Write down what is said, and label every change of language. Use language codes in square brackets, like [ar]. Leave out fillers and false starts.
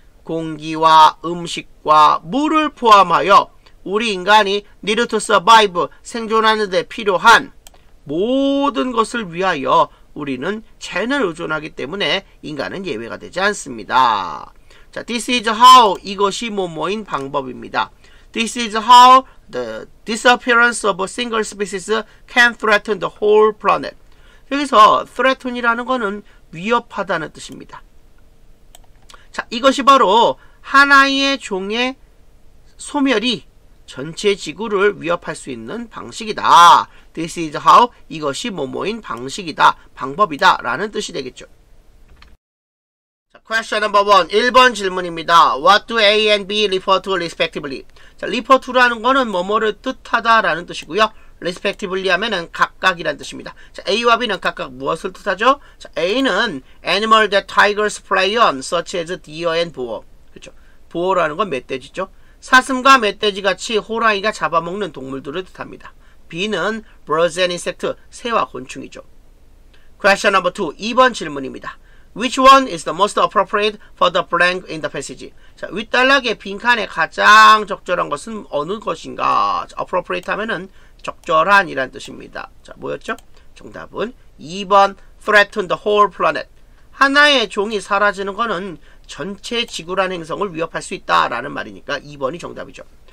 [ko] 공기와 음식과 물을 포함하여 우리 인간이 [en] need to survive, [ko] 생존하는 데 필요한 모든 것을 위하여 우리는 자연을 의존하기 때문에 인간은 예외가 되지 않습니다. 자, [en] this is how, [ko] 이것이 뭐뭐인 방법입니다. [en] This is how the disappearance of a single species can threaten the whole planet. [ko] 여기서 threaten이라는 것은 위협하다는 뜻입니다. 자, 이것이 바로 하나의 종의 소멸이 전체 지구를 위협할 수 있는 방식이다. [en] This is how, [ko] 이것이 뭐뭐인 방식이다, 방법이다 라는 뜻이 되겠죠. [en] 자, question number 1. [ko] 1번 질문입니다. [en] What do A and B refer to respectively? [ko] 자, refer to라는 거는 뭐뭐를 뜻하다 라는 뜻이고요. respectively 하면은 각각이란 뜻입니다. 자, A와 B는 각각 무엇을 뜻하죠? 자, A는 [en] animal that tigers prey on, such as deer and boar. [ko] 그렇죠. boar라는 건 멧돼지죠. 사슴과 멧돼지 같이 호랑이가 잡아먹는 동물들을 뜻합니다. [en] B는 birds and insects, [ko] 새와 곤충이죠. [en] Question number 2, [ko] 2번 질문입니다. [en] Which one is the most appropriate for the blank in the passage? [ko] 자, 윗단락의 빈칸에 가장 적절한 것은 어느 것인가? 자, appropriate 하면은 적절한 이란 뜻입니다. 자, 뭐였죠? 정답은 2번, [en] threaten the whole planet. [ko] 하나의 종이 사라지는 것은 전체 지구라는 행성을 위협할 수 있다라는 말이니까 2번이 정답이죠.